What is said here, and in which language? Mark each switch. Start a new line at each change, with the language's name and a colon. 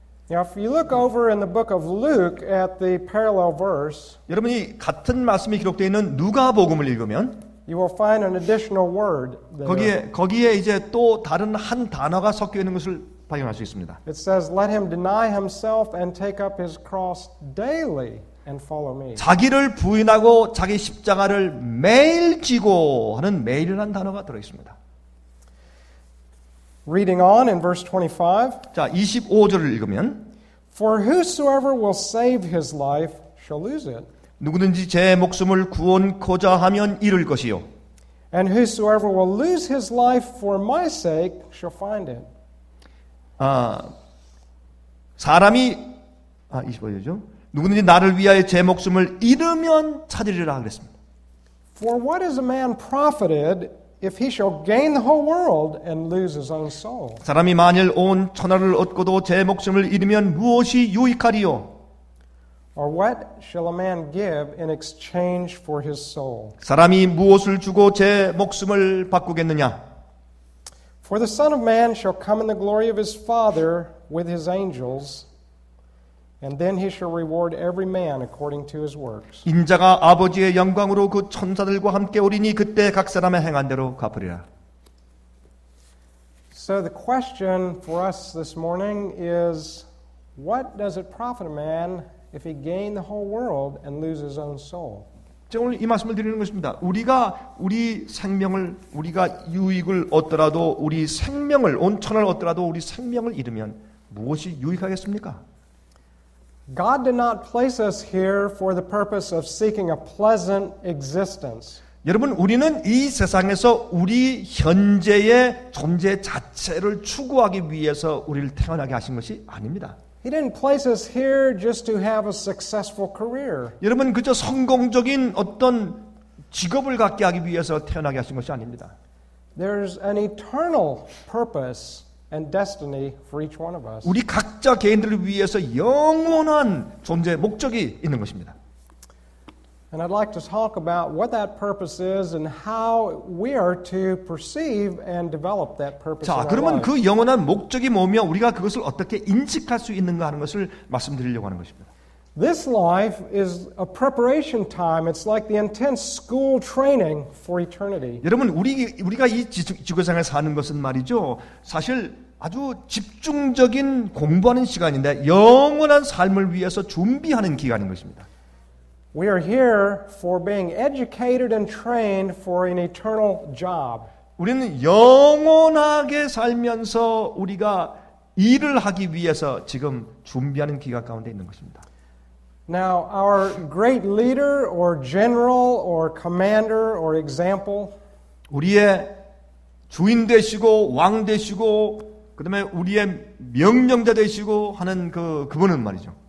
English: Now if you look over in the book of Luke at the parallel verse,
Korean: 여러분이 같은 말씀이 기록되어 있는 누가복음을 읽으면
English: You will find an additional word.
Korean: 거기에 이제 또 다른 한 단어가 섞여 있는 것을 발견할 수 있습니다.
English: It says, "Let him deny himself and take up his cross daily and follow me."
Korean: 자기를 부인하고 자기 십자가를 매일 지고 하는 매일이라는 단어가 들어 있습니다.
English: Reading on in verse 25.
Korean: 자, 25절을 읽으면,
English: "For whosoever will save his life shall lose it."
Korean: 누구든지 제 목숨을 구원코자 하면 잃을 것이요.
English: And whosoever will lose his life for my sake shall find it.
Korean: 아, 사람이 아, 25절이죠. 누구든지 나를 위하여 제 목숨을 잃으면 찾으리라 그랬습니다.
English: For what is a man profited if he shall gain the whole world and lose his own soul?
Korean: 사람이 만일 온 천하를 얻고도 제 목숨을 잃으면 무엇이 유익하리요?
English: Or what shall a man give in exchange for his soul?
Korean: 사람이 무엇을 주고 제 목숨을 바꾸겠느냐?
English: For the Son of Man shall come in the glory of his Father with his angels, and then he shall reward every man according to his works.
Korean: 인자가 아버지의 영광으로 그 천사들과 함께 오리니 그때 각 사람의 행한 대로 갚으리라.
English: So the question for us this morning is, what does it profit a man? If he gained the whole world and loses his own soul.
Korean: 오늘 이 말씀을 드리는 것입니다. 우리가 우리 생명을 우리가 유익을 얻더라도 우리 생명을 온 천하를 얻더라도 우리 생명을 잃으면 무엇이 유익하겠습니까?
English: God did not place us here for the purpose of seeking a pleasant existence.
Korean: 여러분 우리는 이 세상에서 우리 현재의 존재 자체를 추구하기 위해서 우리를 태어나게 하신 것이 아닙니다.
English: He didn't place us here just to have a successful career.
Korean: 여러분 그저 성공적인 어떤 직업을 갖게 하기 위해서 태어나게 하신 것이 아닙니다.
English: There's an eternal purpose and destiny for each one of us.
Korean: 우리 각자 개인들을 위해서 영원한 존재 목적이 있는 것입니다.
English: And I'd like to talk about what that purpose is and how we are to perceive and develop that purpose.
Korean: 자, 그러면 그 영원한 목적이 뭐며 우리가 그것을 어떻게 인식할 수 있는가 하는 것을 말씀드리려고 하는 것입니다.
English: This life is a preparation time. It's like the intense school training for eternity.
Korean: 여러분, 우리가 이 지구상에 사는 것은 말이죠. 사실 아주 집중적인 공부하는 시간인데 영원한 삶을 위해서 준비하는 기간인 것입니다.
English: We are here for being educated and trained for an eternal job.
Korean: 우리는 영원하게 살면서 우리가 일을 하기 위해서 지금 준비하는 기간 가운데 있는 것입니다.
English: Now, our great leader or general or commander or example.
Korean: 우리의 주인 되시고 왕 되시고 그다음에 우리의 명령자 되시고 하는 그분은 말이죠.